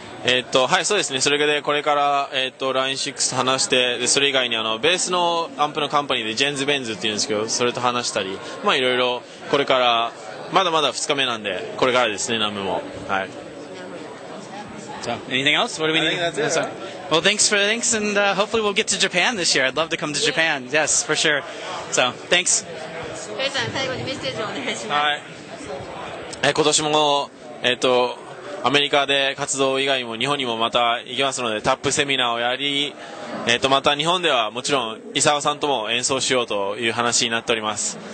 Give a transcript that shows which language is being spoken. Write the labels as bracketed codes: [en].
[ja] はい、そうですね、それでこれから、Line 6と話して、でそれ以外にあのベースのアンプのカンパニーでジェンズ・ベンズっていうんですけど、それと話したり、まあいろいろこれからまだまだ2日目なんで、これからですね、ナムも。はい、 [en] so, anything else? What do we need? I think that's it. Well, thanks and hopefully we'll get to Japan this year. I'd love to come to Japan. Yes, for sure. So, thanks. [ja] ペイさん、最後にメッセージをお願いします。はい、今年もアメリカで活動以外にも日本にもまた行きますので、タップセミナーをやり、また日本ではもちろん伊沢さんとも演奏しようという話になっております。